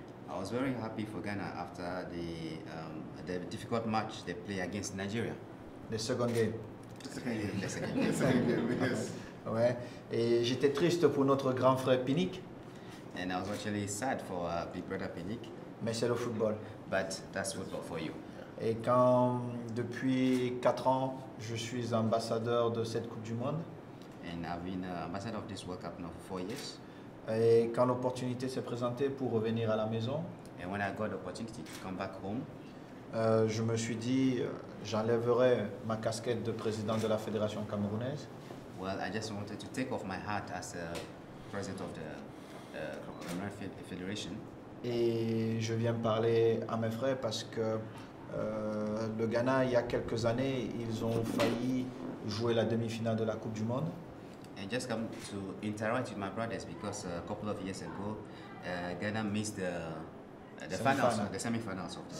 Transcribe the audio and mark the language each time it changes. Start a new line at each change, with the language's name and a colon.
English: I was very happy for Ghana after the difficult match they play against Nigeria. The second game. The second game.
French: Ouais. Et j'étais triste pour notre grand frère Pinnick.
English: And I was actually sad for big brother Pinnick.
French: Mais c'est le football.
English: But that's football for you.
French: Et quand depuis 4 ans je suis ambassadeur de cette Coupe du Monde.
English: And I've been ambassador of this World Cup now for 4 years.
French: Et quand l'opportunité s'est présentée pour revenir à la maison,
English: and when I got the opportunity to come back home,
French: je me suis dit j'enlèverai ma casquette de président de la Fédération Camerounaise.
English: Well, I just wanted to take off my hat as a president of the Cameroon Federation.
French: Et je viens parler à mes frères parce que le Ghana, il y a quelques années, ils ont failli jouer la demi-finale de la Coupe du Monde.
English: And just come to interact with my brothers because a couple of years ago, Ghana missed the semi-finals.